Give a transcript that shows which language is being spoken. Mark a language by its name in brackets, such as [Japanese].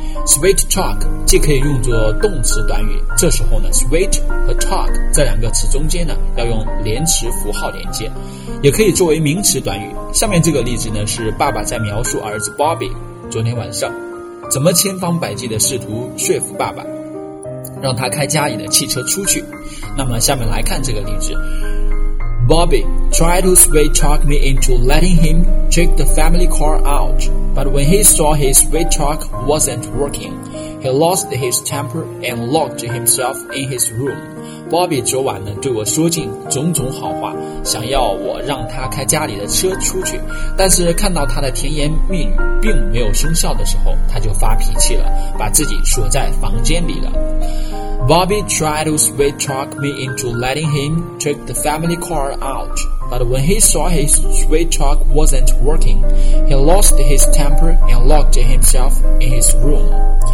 [Chinese] sweet talk 既可以用作动词短语，这时候呢 sweet 和 talk 这两个词中间呢要用连词符号连接，也可以作为名词短语。下面这个例子呢是爸爸在描述儿子 Bobby 昨天晚上怎么千方百计地试图说服爸爸让他开家里的汽车出去。那么下面来看这个例子， [English] Bobby tried to sweet talk me into letting him check the family car out, but when he saw his sweet talk wasn't working, he lost his temper and locked himself in his room. [Chinese] Bobby 昨晚呢对我说尽种种好话，想要我让他开家里的车出去，但是看到他的甜言蜜语并没有生效的时候，他就发脾气了，把自己锁在房间里了。 [English] Bobby tried to sweet talk me into letting him take the family car out, but when he saw his sweet talk wasn't working, he lost his temper and locked himself in his room.